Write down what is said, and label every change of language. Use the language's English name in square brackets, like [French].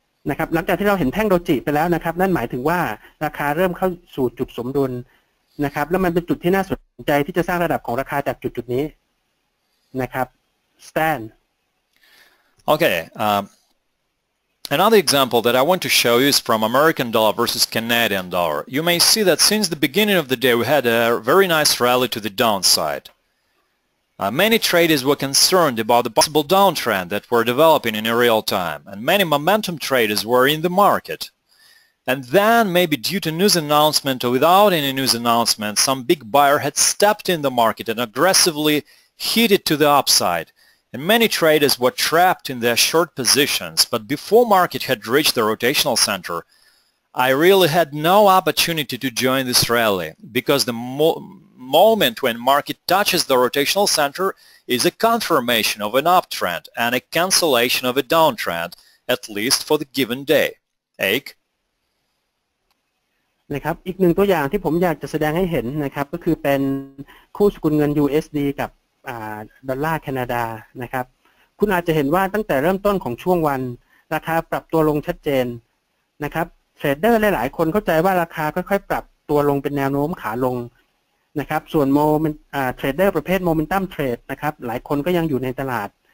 [Thai] นะครับหลังจากที่เราเห็นแท่งโดจิไปแล้วนะครับนั่นหมายถึงว่าราคาเริ่มเข้าสู่จุดสมดุล นะครับแล้วมันเป็นจุดที่น่าสนใจที่จะสร้างระดับของราคาจากจุดนี้นะครับ stand [English] okay another example that I want to show you is from American dollar versus Canadian dollar. You may see that since the beginning of the day we had a very nice rally to the downside. Many traders were concerned about the possible downtrend that were developing in real time, and many momentum traders were in the market. And then, maybe due to news announcement or without any news announcement, some big buyer had stepped in the market and aggressively hit it to the upside. And many traders were trapped in their short positions. But before market had reached the rotational center, I really had no opportunity to join this rally because the moment when market touches the rotational center is a confirmation of an uptrend and a cancellation of a downtrend, at least for the given day. Ake? [Thai] นะครับอีกหนึ่งตัวอย่างที่ผมอยากจะแสดงให้เห็นนะครับก็คือเป็นคู่สกุลเงิน USD กับดอลลาร์แคนาดานะครับคุณอาจจะเห็นว่าตั้งแต่เริ่มต้นของช่วงวันราคาปรับตัวลงชัดเจนนะครับเทรดเดอร์หลายๆคนเข้าใจว่าราคาค่อยๆปรับตัวลงเป็นแนวโน้มขาลงนะครับส่วนโมเมนต์เทรดเดอร์ประเภทโมเมนตัมเทรดนะครับหลายคนก็ยังอยู่ในตลาด